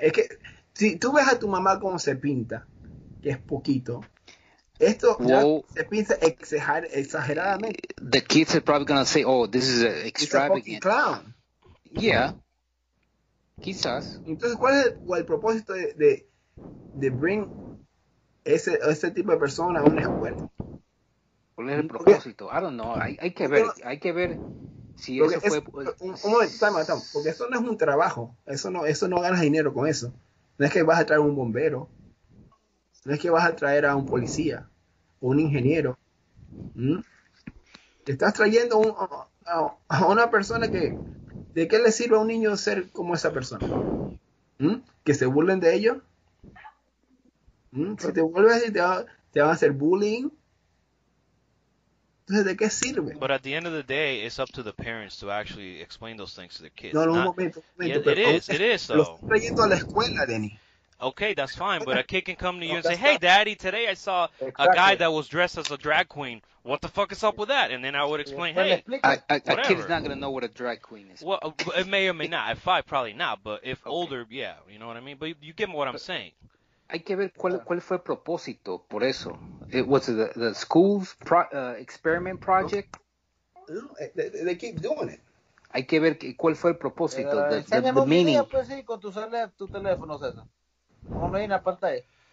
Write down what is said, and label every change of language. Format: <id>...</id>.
<es>Es que si tú ves a tu mamá cómo se pinta, que es poquito. Esto se piensa exageradamente.</es> <en>The kids are probably gonna say, oh, this is extravagant. It's a clown. Yeah.</en> <es>Quizás. Entonces, ¿cuál es el propósito de</es> <en>bring</en> <es>ese tipo de persona a una escuela? ¿Cuál es el propósito?</es> <en>I don't know.</en> <es>Hay que ver si eso fue. Un momento, time. Porque eso no es un trabajo. Eso no ganas dinero con eso. No es que vas a traer un bombero. No es que vas a traer a un policía o un ingeniero. Te estás trayendo a una persona que... ¿De qué le sirve a un niño ser como esa persona? ¿Que se burlen de ellos? Si te vuelves y te van a hacer bullying. Entonces, ¿de qué sirve?</es> <en>But at the end of the day, it's up to the parents to actually explain those things to their kids.</en> <es>No, no, un momento.</es> <en>Yeah, it is, though.</en> <es>Lo estás trayendo a la escuela, Denny.</es> <en>Okay, that's fine, but a kid can come to you and say, hey, daddy, today I saw a guy that was dressed as a drag queen. What the fuck is up with that? And then I would explain, hey, a kid is not going to know what a drag queen is. Well, it may or may not. At 5, probably not, but if older, yeah, you know what I mean? But you get what I'm saying.</en> <es>Hay que ver cuál fue el propósito por eso.</es> <en>Was it the school's experiment project? No, they keep doing it.</en> <es>Hay que ver cuál fue el propósito,</es> <en>the meaning.</en> <es>Pues sí, con tu teléfono, César. No, no hay una pantalla.</es>